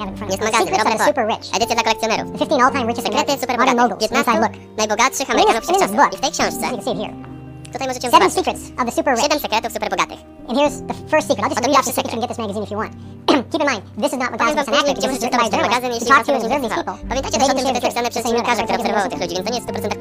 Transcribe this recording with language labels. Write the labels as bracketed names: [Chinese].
[Polish] Jest magazyn, Robert Ford, edycja dla kolekcjonerów. Sekrety super bogatych, 15 najbogatszych Amerykanów wszechczasów. I w tej książce, tutaj możecie zobaczyć. [English] 7 secrets of the super rich. [Polish] 7 sekretów super bogatych. [English] And here's the first secret. I'll just read off the secret and get this magazine if you want. Keep in mind, this is not magazine. It's an act. [Polish] Gdzie możecie zobaczyć ten magazyn, jeśli was nie zainteresował. Pamiętajcie też o tym, że to jest napisane przez dziennikarza, który obserwował tych ludzi, więc to nie jest 100% prawdziwe.